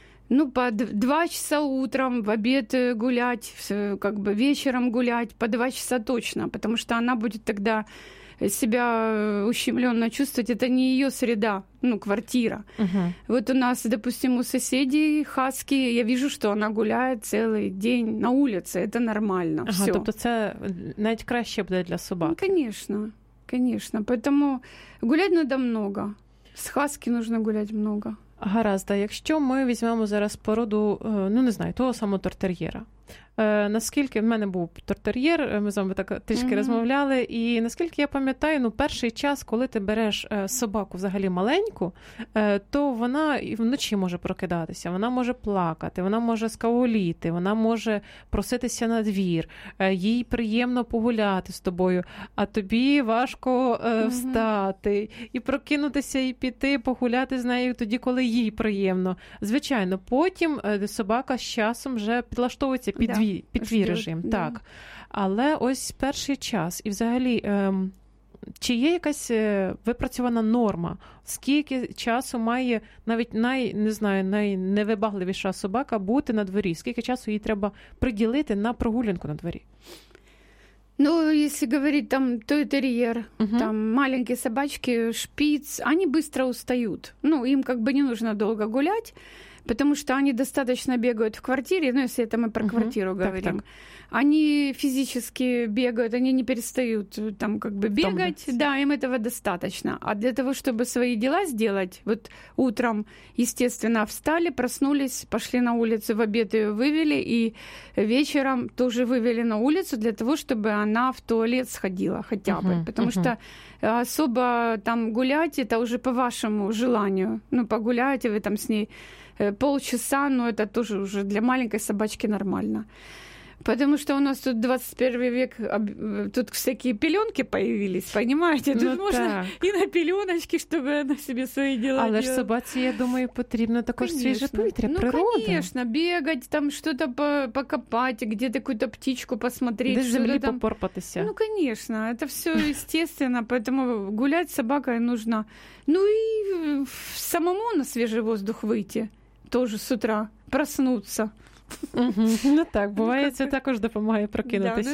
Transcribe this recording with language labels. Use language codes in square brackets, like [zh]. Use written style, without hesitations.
[ru] Ну, по 2 часа утром, в обед гулять, как бы вечером гулять, по 2 часа точно, потому что она будет тогда себя ущемленно чувствовать. Это не ее среда, ну, квартира. Угу. Вот у нас, допустим, у соседей хаски, я вижу, что она гуляет целый день на улице, это нормально. Ага, всё. [uk] Тобто це навіть краще буде для собаки. [ru] Ну, конечно, конечно. Поэтому гулять надо много. С хаски нужно гулять много. [uk] Гаразд, а якщо ми візьмемо зараз породу, ну, не знаю, того самого тортер'єра. Наскільки, в мене був тортер'єр, ми з вами так трішки розмовляли, і наскільки я пам'ятаю, ну, перший час, коли ти береш собаку взагалі маленьку, то вона і вночі може прокидатися, вона може плакати, вона може скаволіти, вона може проситися на двір, їй приємно погуляти з тобою, а тобі важко встати і прокинутися, і піти погуляти з нею тоді, коли їй приємно. Звичайно, потім собака з часом вже підлаштовується під підвій режим, так. Але ось перший час, і взагалі, чи є якась випрацьована норма, скільки часу має навіть найневибагливіша собака бути на дворі, скільки часу їй треба приділити на прогулянку на дворі? [ru] Ну, если говорить там тойтерьер, там маленькие собачки, шпиц, они быстро устают. Ну, им как бы не нужно долго гулять, потому что они достаточно бегают в квартире, ну, если это мы про квартиру говорим. Так, так. Они физически бегают, они не перестают там как бы бегать. Да, им этого достаточно. А для того, чтобы свои дела сделать, вот утром, естественно, встали, проснулись, пошли на улицу, в обед ее вывели, и вечером тоже вывели на улицу для того, чтобы она в туалет сходила хотя бы. Потому что особо там гулять, это уже по вашему желанию. Ну, погуляете вы там с ней полчаса, но это тоже уже для маленькой собачки нормально. Потому что у нас тут 21 век, тут всякие пеленки появились, понимаете? Тут ну, можно так. И на пеленочки, чтобы она себе свои дела [uk] Але Але ж собаці, я думаю, потрібно також [ru] конечно. [uk] Свіже повітря, ну, природа. [ru] Ну, конечно, бегать, там что-то покопать, где-то какую-то птичку посмотреть. [uk] Десь землі попорпатися. [ru] Ну, конечно, это все естественно, поэтому гулять с собакой нужно. Ну и самому на свежий воздух выйти, тоже с утра проснуться. [uk] Ну так, буває, це також допомагає прокинутися.